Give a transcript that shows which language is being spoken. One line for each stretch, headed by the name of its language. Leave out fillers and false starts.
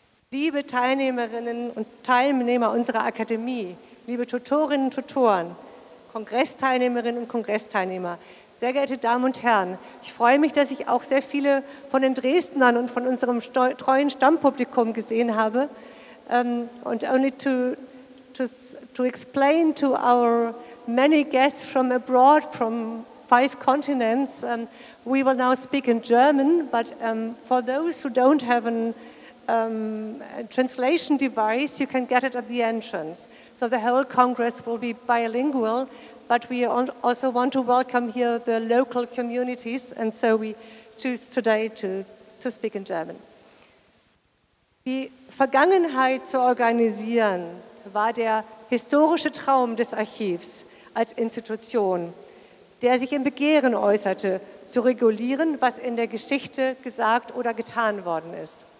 German: Liebe Teilnehmerinnen und Teilnehmer unserer Akademie, liebe Tutorinnen und Tutoren, Kongressteilnehmerinnen und Kongressteilnehmer, sehr geehrte Damen und Herren, ich freue mich, dass ich auch sehr viele von den Dresdnern und von unserem treuen Stammpublikum gesehen habe.
English: Und only to explain to our many guests from abroad, from five continents. We will now speak in German, but for those who don't have a translation device, you can get it at the entrance. So the whole Congress will be bilingual, but we also want to welcome here the local communities, and so we choose today to speak in German.
German: Die Vergangenheit zu organisieren war der historische Traum des Archivs als Institution, der sich im Begehren äußerte, zu regulieren, was in der Geschichte gesagt oder getan worden ist.